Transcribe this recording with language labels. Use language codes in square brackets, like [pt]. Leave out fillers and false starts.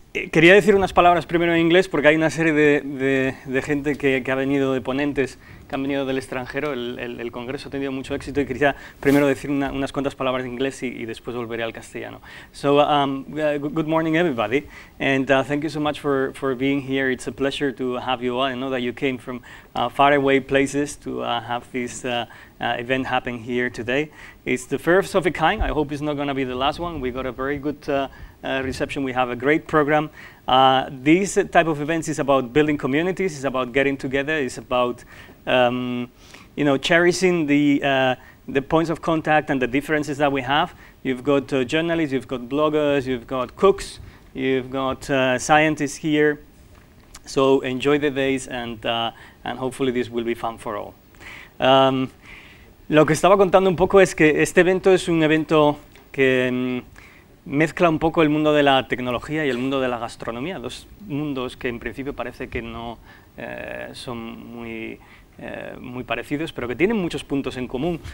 [es] Quería decir unas palabras primero en inglés porque hay una serie de gente que ha venido, de ponentes que han venido del extranjero. El congreso ha tenido mucho éxito y quería primero decir unas cuantas palabras en inglés y después volveré al castellano. [en] So, good morning everybody, and thank you so much for being here. It's a pleasure to have you all. I know that you came from far away places to have this event happen here today. It's the first of a kind. I hope it's not going to be the last one. We got a very good reception. We have a great program. This type of events is about building communities, it's about getting together, it's about you know, cherishing the points of contact and the differences that we have. You've got journalists, you've got bloggers, you've got cooks, you've got scientists here. So enjoy the days and hopefully this will be fun for all. [es] Lo que estaba contando un poco es que este evento es un evento que mezcla un poco el mundo de la tecnología y el mundo de la gastronomía, dos mundos que en principio parece que no son muy, muy parecidos, pero que tienen muchos puntos en común.